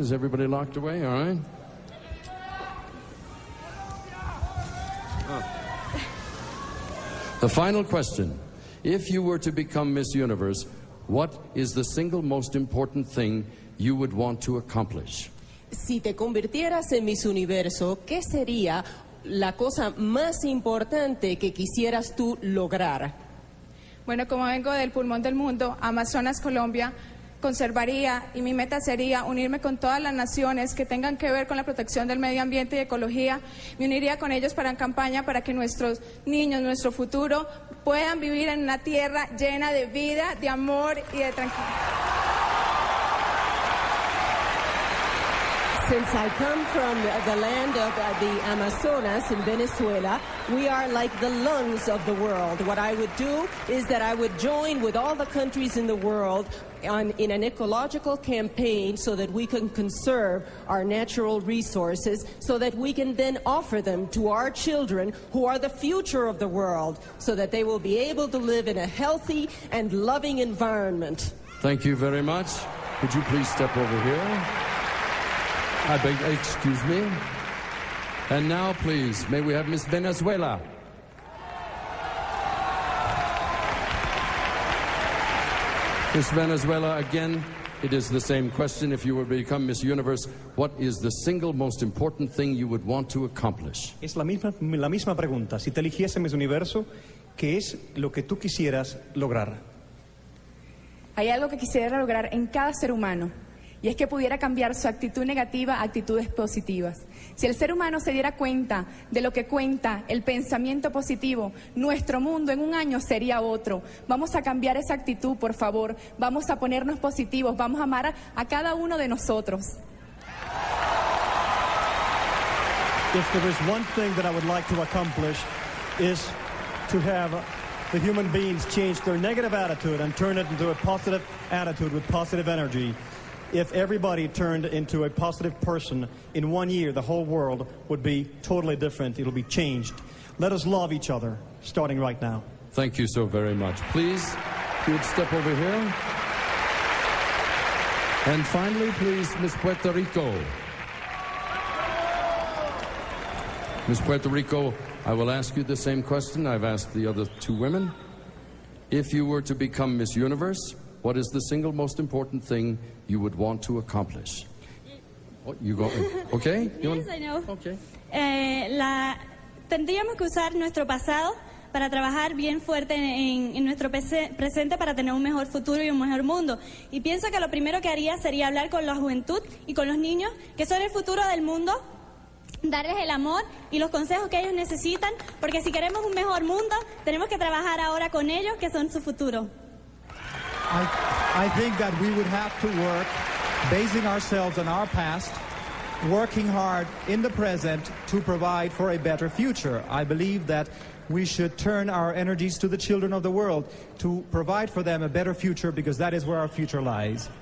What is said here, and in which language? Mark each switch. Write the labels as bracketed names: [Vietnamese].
[English] Is everybody locked away? All right. The final question. If you were to become Miss Universe, What is the single most important thing you would want to accomplish? [Spanish] Si te convirtieras en Miss Universo, ¿qué sería la cosa más importante que quisieras tú lograr? Bueno, como vengo del pulmón del mundo, Amazonas, Colombia, conservaría y mi meta sería unirme con todas las naciones que tengan que ver con la protección del medio ambiente y ecología. Me uniría con ellos para una campaña para que nuestros niños, nuestro futuro, puedan vivir en una tierra llena de vida, de amor y de tranquilidad. [English] Since I come from the land of the Amazonas in Venezuela, we are like the lungs of the world. What I would do is that I would join with all the countries in the world in an ecological campaign so that we can conserve our natural resources so that we can then offer them to our children who are the future of the world so that they will be able to live in a healthy and loving environment. Thank you very much. Could you please step over here? I beg, excuse me. And now, please, may we have Miss Venezuela. Miss Venezuela, again, it is the same question. If you were to become Miss Universe, what is the single most important thing you would want to accomplish? [Spanish] Es la misma pregunta. Si te eligiese Miss Universo, ¿qué es lo que tú quisieras lograr? Hay algo que quisiera lograr en cada ser humano. Y es que pudiera cambiar su actitud negativa a actitudes positivas. Si el ser humano se diera cuenta de lo que cuenta el pensamiento positivo, nuestro mundo en un año sería otro. Vamos a cambiar esa actitud, por favor. Vamos a ponernos positivos. Vamos a amar a cada uno de nosotros. [English] If there is one thing that I would like to accomplish is to have the human beings change their negative attitude and turn it into a positive attitude with positive energy. If everybody turned into a positive person in one year, the whole world would be totally different. It'll be changed. Let us love each other, starting right now. Thank you so very much. Please, if you would step over here. And finally, please, Miss Puerto Rico. Miss Puerto Rico, I will ask you the same question I've asked the other two women. If you were to become Miss Universe, what is the single most important thing you would want to accomplish? What, you got it? Okay? Yes, I know. Okay. [Spanish] Tendríamos que usar nuestro pasado para trabajar bien fuerte en nuestro presente para tener un mejor futuro y un mejor mundo. Y pienso que lo primero que haría sería hablar con la juventud y con los niños, que son el futuro del mundo, darles el amor y los consejos que ellos necesitan, porque si queremos un mejor mundo, tenemos que trabajar ahora con ellos, que son su futuro. [English] I think that we would have to work basing ourselves on our past, working hard in the present to provide for a better future. I believe that we should turn our energies to the children of the world to provide for them a better future because that is where our future lies.